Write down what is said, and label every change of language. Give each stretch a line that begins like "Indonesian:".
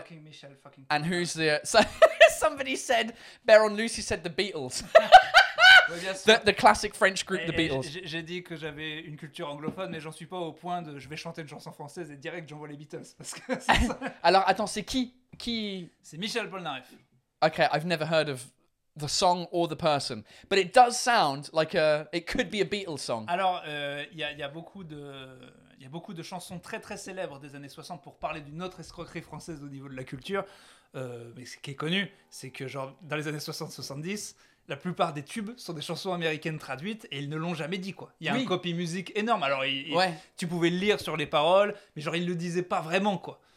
English: Fucking Michelle, fucking. And who's the. Somebody said, Baron Lucy said the Beatles. The classic French group, the Beatles.
French: J'ai dit que j'avais une culture anglophone, mais j'en suis pas au point de je vais chanter une chanson française et direct j'envoie les Beatles. Parce que alors attends, c'est qui? C'est Michel Polnareff.
English: Okay, I've never heard of the song or the person, but it does sound like it could be a Beatles song.
French: Alors il y a beaucoup de chansons très très célèbres des années 60 pour parler d'une autre escroquerie française au niveau de la culture, mais ce qui est connu, c'est que genre dans les années 60-70. La plupart des tubes sont des chansons américaines traduites et ils ne l'ont jamais dit, quoi. Il y a oui. Un copy music énorme. Alors, tu pouvais le lire sur les paroles, mais genre, ils ne le disaient pas vraiment, quoi.